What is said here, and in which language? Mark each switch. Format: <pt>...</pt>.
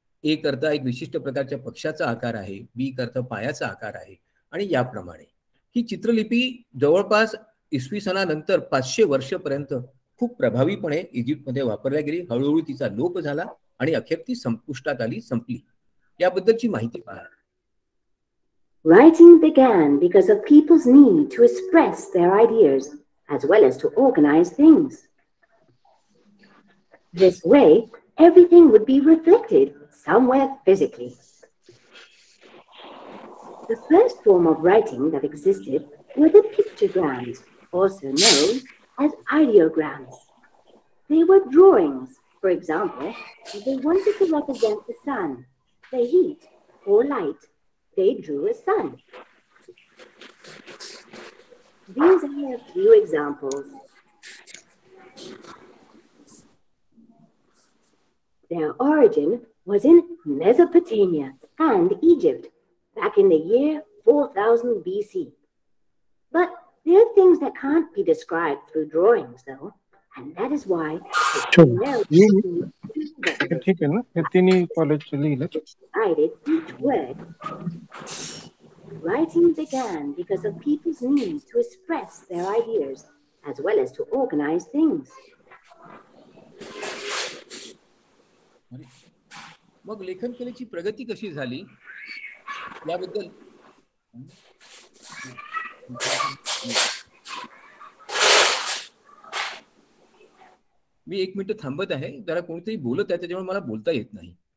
<mr>ए करता एक विशिष्ट प्रकारच्या पक्षाचा आकार आहे, बी करता पायाचा आकार आहे, आणि याप्रमाणे ही चित्रलिपी जवळपास इसवी सनानंतर 500 वर्षपर्यंत खूप प्रभावीपणे इजिप्तमध्ये वापरल्या गेली. हळूहळू तिचा लोप झाला आणि अखेर ती संपुष्टात आली, संपली. याबद्दलची माहिती पहा.</mr> <en>Writing began because of people's need to express their ideas as well as to organize things. This way, everything would be reflected somewhere physically. The first form of writing that existed were the pictograms, also known as ideograms. They were drawings, for example, if they wanted to represent the sun, the heat, or light. They drew a sun. These are a few examples. Their origin was in Mesopotamia and Egypt back in the year 4000 BC. But there are things that can't be described through drawings, though, and that is why.</en> <mr>ठीक आहे ना, तिने college लिहिलं.</mr> <en>Writing began because of people's need to express their ideas as well as to organize things.</en> <mr>मग लेखन कलेची प्रगती कशी झाली याबद्दल. मी एक मिनिट थांबत आहे, जरा कोणीतरी बोलत आहे त्याच्यामुळे मला बोलता येत नाही.</mr>